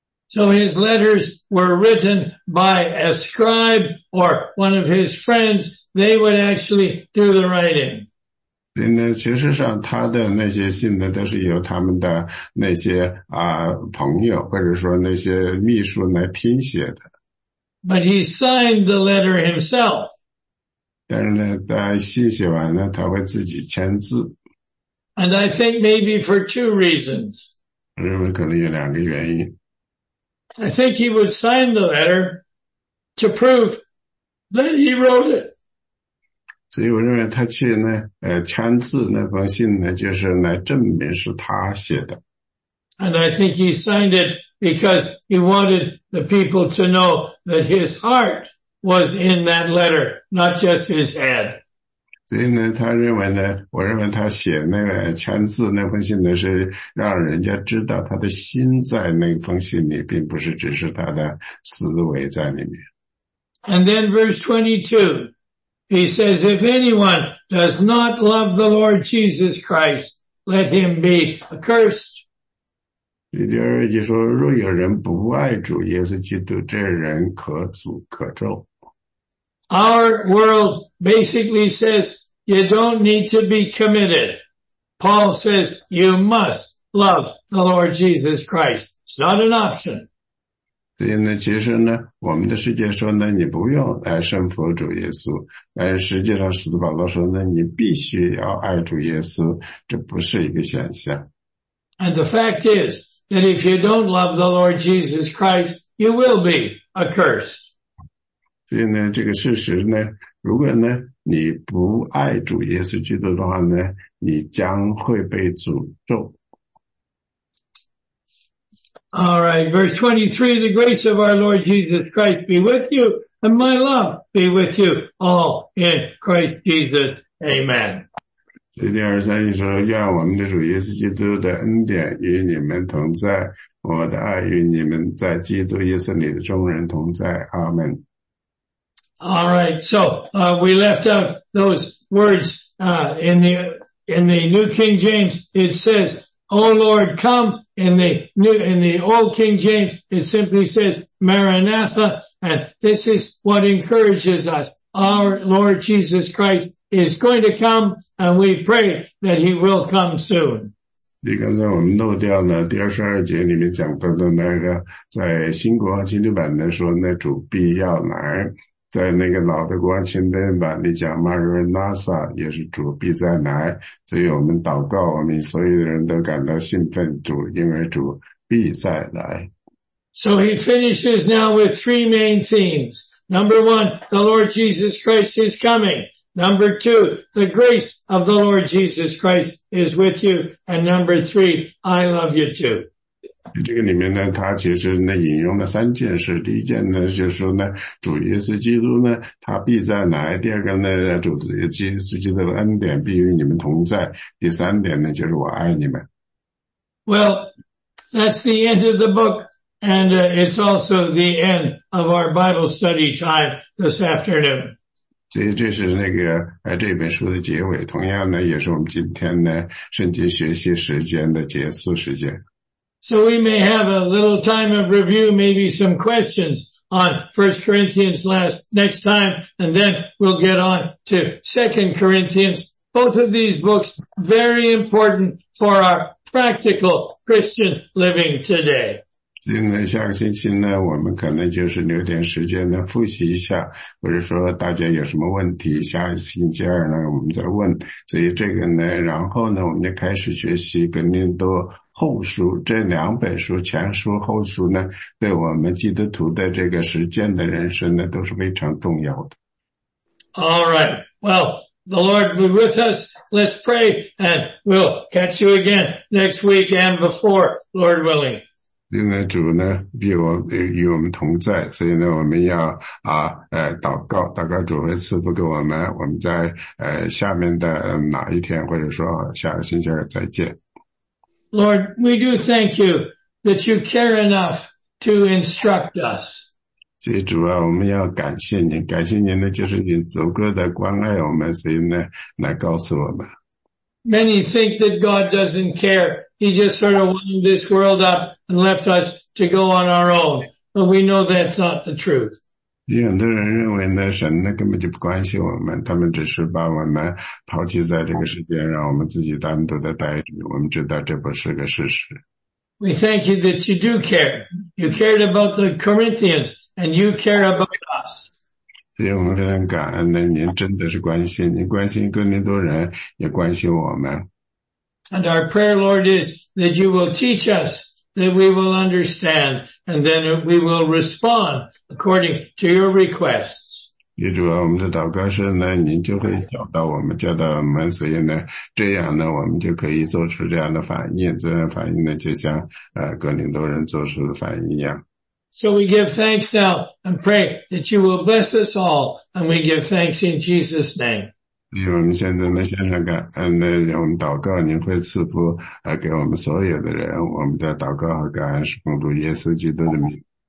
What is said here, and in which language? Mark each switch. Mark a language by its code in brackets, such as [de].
[en] So his letters were written by a scribe or one of his friends. They would actually do the writing. [zh] 其实上他的那些信呢都是由他们的那些朋友或者说那些秘书来拼写的。 [en] But he signed the letter himself. [zh] 但是呢他信写完呢他会自己签字。 [en] And I think maybe for two reasons. [zh] 我认为可能有两个原因。 [en] I think he would sign the letter to prove that he wrote it. [zh] 所以我认为他去呢，签字那封信呢，就是来证明是他写的。 [en] And I think he signed it because he wanted the people to know that his heart was in that letter, not just his head. [zh] 所以呢，他认为呢，我认为他写那个签字那封信呢，是让人家知道他的心在那封信里，并不是只是他的思维在里面。 [en] And then verse 22, he says, if anyone does not love the Lord Jesus Christ, let him be accursed. [zh] 第二节说，若有人不爱主耶稣基督，这人可诅可咒。 [en] Our world basically says, you don't need to be committed. Paul says, you must love the Lord Jesus Christ. It's not an option. [zh] 所以呢，其实呢，我们的世界说呢，你不用来顺服主耶稣，但实际上使徒保罗说呢，你必须要爱主耶稣，这不是一个选项。 [en] And the fact is that if you don't love the Lord Jesus Christ, you will be accursed. [zh] 所以呢，这个事实呢，如果呢你不爱主耶稣基督的话呢，你将会被诅咒。 [en] All right, verse 23, the grace of our Lord Jesus Christ be with you, and my love be with you all in Christ Jesus. Amen. [zh] 第二三节说，愿我们的主耶稣基督的恩典与你们同在，我的爱与你们在基督耶稣里的众人同在。阿们。 [en] All right, so, we left out those words, in the New King James, it says, O Lord, come. In the Old King James, it simply says, Maranatha. And this is what encourages us. Our Lord Jesus Christ is going to come, and we pray that he will come soon. [zh] 你刚才我们漏掉呢，第二十二节里面讲到的那个，在新国王钦定版的说那主必要来，在那个老的国王钦定版里讲 Maranatha 也是主必再来，所以我们祷告，我们所有的人都感到兴奋，主因为主必再来。 [en] So he finishes now with three main themes. Number one, the Lord Jesus Christ is coming. Number two, the grace of the Lord Jesus Christ is with you. And number three, I love you too. [zh] 这个里面呢，他其实呢引用了三件事。第一件呢，就是说呢，主耶稣基督呢，他必在来。第二个呢，主耶稣基督的恩典必与你们同在。第三点呢，就是我爱你们。 [en] Well, that's the end of the book. And it's also the end of our Bible study time this afternoon. [zh] 所以这是那个这本书的结尾，同样呢也是我们今天呢圣经学习时间的结束时间。 [en] So we may have a little time of review, maybe some questions on 1 Corinthians next time, and then we'll get on to 2 Corinthians. Both of these books, very important for our practical Christian living today. [zh] 今天下个星期呢，我们可能就是留点时间呢复习一下，或者说大家有什么问题，下星期二呢我们再问。所以这个呢，然后呢，我们就开始学习《格林多后书》这两本书，前书后书呢，对我们基督徒的这个实践的人生呢，都是非常重要的。 [en] All right, well, the Lord be with us. Let's pray, and we'll catch you again next week and before, Lord willing. [zh] 因为主呢必与我们同在，所以呢我们要祷告，祷告主会赐福给我们，我们在下面的哪一天或者说下个星期二再见。 [en] Lord, we do thank you that you care enough to instruct us. [zh] 所以主啊，我们要感谢您，感谢您呢就是您足够的关爱我们，所以呢来告诉我们。 [en] Many think that God doesn't care. He just sort of wound this world up and left us to go on our own. But we know that's not the truth. [zh] 有很多人认为呢，神呢根本就不关心我们，他们只是把我们抛弃在这个世界，让我们自己单独的待着。我们知道这不是个事实。 [en] We thank you that you do care. You cared about the Corinthians and you care about us. [zh] 所以我们非常感恩呢，您真的是关心，您关心哥林多人，也关心我们。 [en] And our prayer, Lord, is that you will teach us, that we will understand, and then we will respond according to your requests. [zh] 也主啊，我们的祷告声呢，您就会教导我们，教导我们，所以呢，这样呢，我们就可以做出这样的反应，这样反应呢，就像哥林多人做出的反应一样。 [en] So we give thanks now and pray that you will bless us all, and we give thanks in Jesus' name. [zh] 所以我们现在呢，向上感恩，那我们祷告，您会赐福给我们所有的人。我们的祷告和感恩是奉主耶稣基督的名。